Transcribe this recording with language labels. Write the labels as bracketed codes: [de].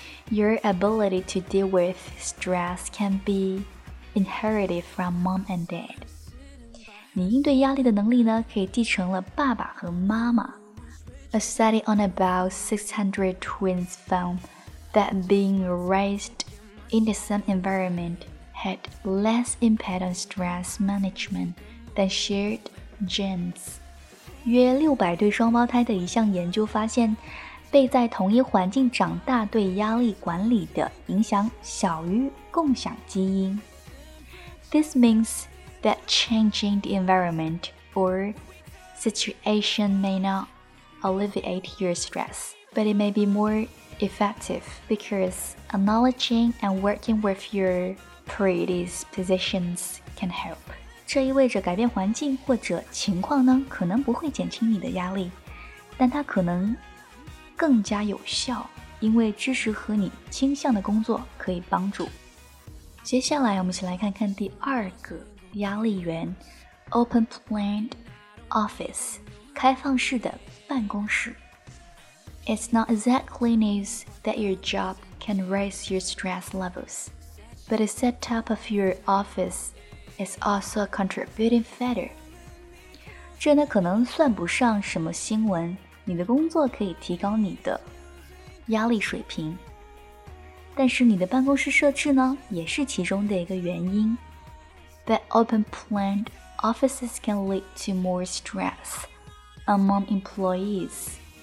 [en] Your ability to deal with stress can be inherited from mom and dad. [zh] 你应对压力的能力呢可以继承了爸爸和妈妈。 [en] A study on about 600 twins found that being raised in the same environment had less impact on stress management than shared genes. [zh] 约600对双胞胎的一项研究发现，被在同一环境长大对压力管理的影响小于共享基因。 [en] This means that changing the environment or situation may not alleviate your stress, but it may be more effective because acknowledging and working with your predispositions can help. [zh] 这意味着改变环境或者情况呢，可能不会减轻你的压力，但它可能更加有效，因为支持和你倾向的工作可以帮助。接下来我们一起来看看第二个压力源， [en] Open Planned Office， [zh] 开放式的办公室。 [en] It's not exactly news that your job can raise your stress levels, but the setup of your office is also a contributing factor. [zh] 这呢可能算不上什么新闻，你的工作可以提高你的压力水平，但是你的办公室设置呢也是其中的一个原因。 [en] But open planned offices can lead to more stress among employees.